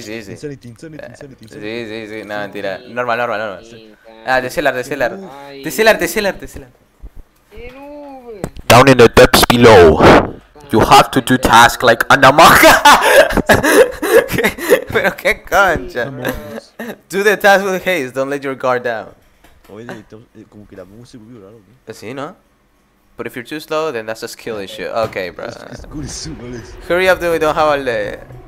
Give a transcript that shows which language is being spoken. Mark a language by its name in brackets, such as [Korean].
[Spanish] Sí, no, mentira. Normal. Ah, Tesselar. [English] Down in the depths below, you have to do tasks like Anamaka. [Spanish] Pero qué concha. [English] Do the task with haste, don't let your guard down. [Spanish] Oye, como que la música es muy raro. Sí, ¿no? [English] But if you're too slow, then that's a skill issue. Okay, bro. Hurry up, dude, we don't have all day.